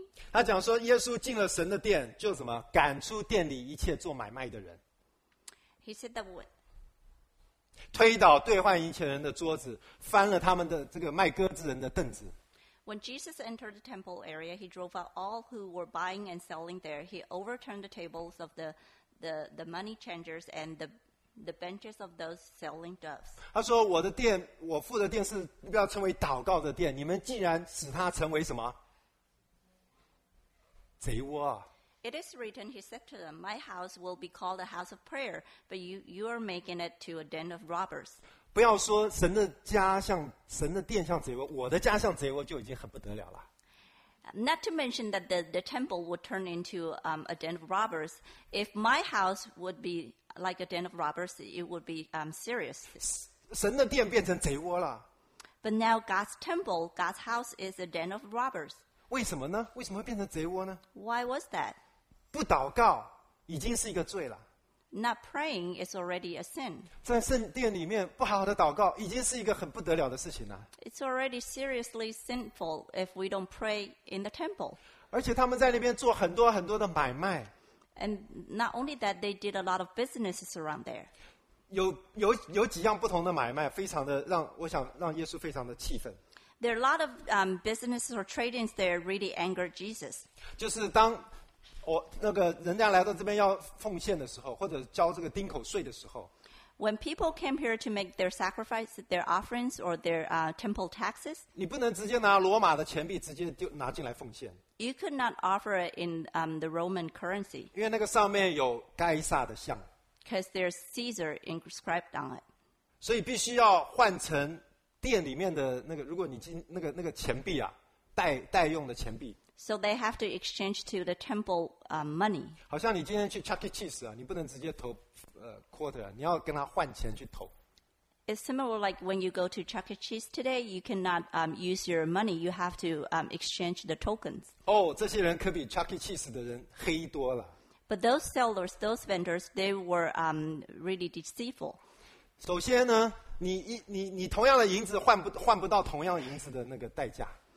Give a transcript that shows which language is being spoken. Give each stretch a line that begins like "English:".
Chinese: 他讲说耶稣进了神的殿，就什么赶出殿里一切做买卖的人。
English: He said that what?
Chinese: 推倒兑换银钱人的桌子，翻了他们的这个卖鸽子人的凳子。
English: When Jesus entered the temple area, he drove out all who were buying and selling there. He overturned the tables of the money changers and the benches of those selling doves.
Chinese: 他说我的殿，我父的殿是要称为祷告的殿，你们竟然使他成为什么贼窝啊。
English: It is written, he said to them, my house will be called a house of prayer, but you are making it to a den of robbers.
Chinese: 不要说神的家像神的殿像贼窝，我的家像贼窝就已经很不得了了。
English: Not to mention that the temple would turn into a den of robbers. If my house would be like a den of robbers, it would be serious.
Chinese: 神的殿变成贼窝了。
English: But now God's temple, God's house is a den of robbers.
Chinese: 为什么呢？为什么会变成贼窝呢？
English: Why was that?
Chinese: 不祷告已经是一个罪了。
English: Not praying is already a sin.
Chinese: 在圣殿里面不好好的祷告已经是一个很不得了的事情了。
English: It's already seriously sinful if we don't pray in the temple.
Chinese: 而且他们在那边做很多很多的买卖。
English: And not only that, they did a lot of businesses around there.
Chinese: 有几样不同的买卖，非常的让我想让耶稣非常的气愤。
English: There are a lot of businesses or tradings there really angered Jesus.
Chinese: 就是当我那个人家来到这边要奉献的时候，或者交这个钉口税的时候。
English: When people came here to make their sacrifice, their offerings, or their temple taxes,
Chinese: 你不能直接拿罗马的钱币直接就拿进来奉献。
English: You could not offer it in the Roman currency.
Chinese: 因为那个上面有该撒的像。
English: Because there's Caesar inscribed on it.
Chinese: 所以必须要换成店里面的那个，如果你进那个钱币啊，代用的钱币。
English: So they have to exchange to the temple money.
Chinese: 好像你今天去 Chuck E. Cheese 啊，你不能直接投quarter， 你要跟他换钱去投。
English: It's similar like when you go to Chuck E. Cheese today, you cannot use your money. You have to exchange the tokens.
Chinese: 哦，这些人可比 Chuck E. Cheese 的人黑多了。
English: But those sellers, those vendors, they were really deceitful.
Chinese: 首先呢，你同样的银子换不到同样银子的那个代价。